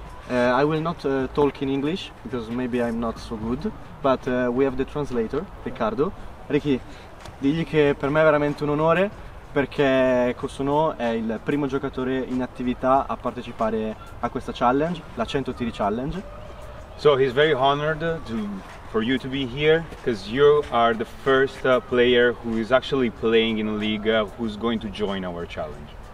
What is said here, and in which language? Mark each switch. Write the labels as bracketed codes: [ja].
[en] I will not talk in English because maybe I'm not so good, but we have the translator Riccardo. [it] Ricky, digli che per me è veramente un onore, perché Kusunu è il primo giocatore in attività a partecipare a questa challenge, la 100 tiri challenge. [en] So he's very honored for you to be here, because you are the first player who is actually playing in a league who's going to join our challenge.